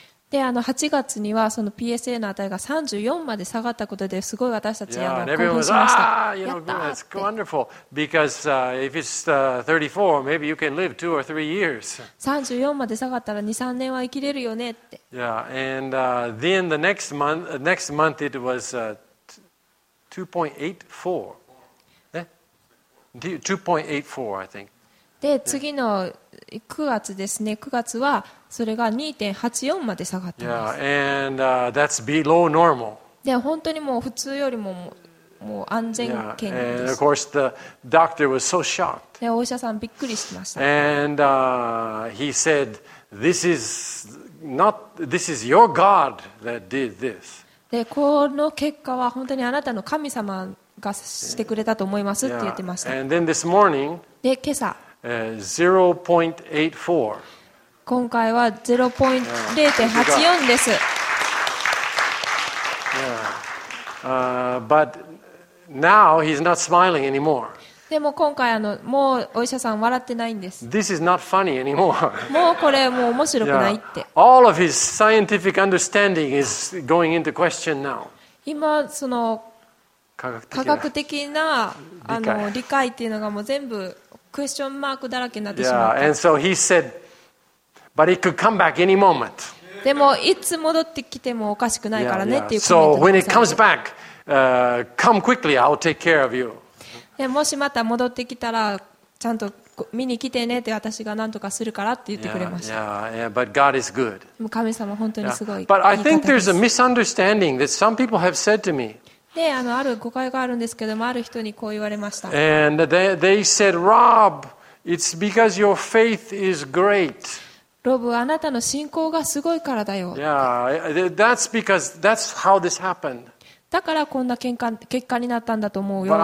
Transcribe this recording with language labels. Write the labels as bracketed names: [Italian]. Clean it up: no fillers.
[Japanese] で8月にはその PSA の値が34まで下がったことですごい私たち yeah, 興奮しました。 [English] Was, you know, that's wonderful because if it's 34, maybe you can live 2 or 3 years. [Japanese] 34まで下がったら 2-3 年は生きれるよねって。 [English] Yeah, and then the next month it was 2.84. 2.84, I think. [Japanese] で、次の9月ですね。9月はそれが 2.84 まで下がってます。 [English] Yeah, and that's below normal. [Japanese] で、本当にもう普通よりももう安全圏です。 [English] Yeah, and of course the doctor was so shocked. [Japanese] で、お医者さんびっくりしました。 [English] And he said, this is... Not, this is your God that did this. [Japanese] で、この結果は本当にあなたの神様がしてくれたと思いますって言ってました。 [English] Yeah. And then this morning, [Japanese] で、今朝、 [English] 0.84. [Japanese] 今回は 0.84 です。 Yeah. [English] But now he's not smiling anymore. [Japanese] でも今回もうお医者さん笑ってないんです。 [English] This is not funny anymore. [Japanese] もうこれもう面白くないって。 Yeah. [English] All of his scientific understanding is going into question now. [Japanese] 今その科学的な理解っていうのがもう全部クエスチョンマークだらけになってしまった。 Yeah. [English] And so he said, but it could come back any moment. [Japanese] でもいつ戻ってきてもおかしくないからねっていうコメントで。 [English] So when it comes back, come quickly. I'll take care of you. [Japanese] でもしまた戻ってきたらちゃんと見に来てねって私が何とかするからって言ってくれました。 [English] Yeah, yeah, but God is good. [Japanese] 神様本当にすごい。 [English] Yeah. But I think there's a misunderstanding that some people have said to me. [Japanese] で、ある誤解があるんですけども、ある人にこう言われました。 [English] And they said, Rob, it's because your faith is great. [Japanese] ロブ、あなたの信仰がすごいからだよ。 [English] Yeah, that's because that's how this happened. [Japanese] だからこんな結果になったんだと思うよ。But